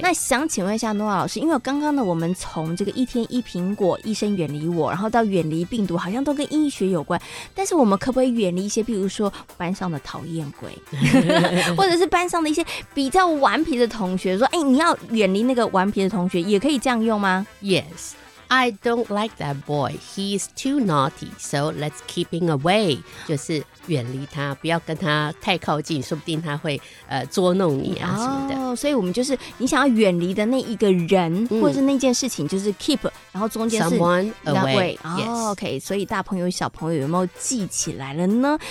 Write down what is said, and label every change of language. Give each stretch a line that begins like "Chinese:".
Chinese: 那想请问一下诺瓦老师，因为刚刚呢我们从这个一天一苹果，医生远离我，然后到远离病毒，好像都跟医学有关，但是我们可不可以远离一些比如说班上的讨厌鬼或者是班上的一些比较顽皮的同学，说哎、欸，你要远离那个顽皮的同学，也可以这样用吗？
English: Yes, I don't like that boy, he is too naughty, so let's keep him away.
Chinese: 就是远离他，不要跟他太靠近，说不定他会捉弄你啊什么的、哦、所以我们就是你想要远离的那一个人、嗯、或者是那件事情，就是 keep 然后中间是
English: someone away、哦 yes.
Chinese: OK， 所以大朋友小朋友有没有记起来了呢？